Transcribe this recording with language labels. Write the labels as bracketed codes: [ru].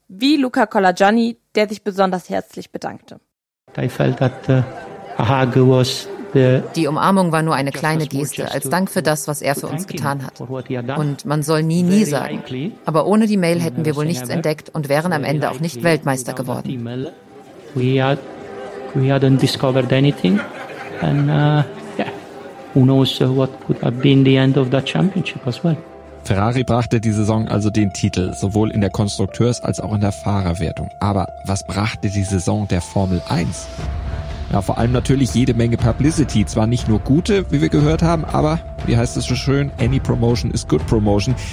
[de] Wie Luca Colagianni, der sich besonders herzlich bedankte. [en] I felt that a hug was the... [de] Die Umarmung war nur eine kleine Geste, als Dank für das, was er für uns getan hat. Und man soll nie, nie sagen. Aber ohne die Mail hätten wir wohl nichts entdeckt und wären am Ende auch nicht Weltmeister geworden. [en] We hadn't discovered anything. And who knows what could have been the end of that championship as well. [de] Ferrari brachte die Saison also den Titel, sowohl in der Konstrukteurs- als auch in der Fahrerwertung. Aber was brachte die Saison der Formel 1? Ja, vor allem natürlich jede Menge Publicity. Zwar nicht nur gute, wie wir gehört haben, aber, wie heißt es so schön, [en] any promotion is good promotion.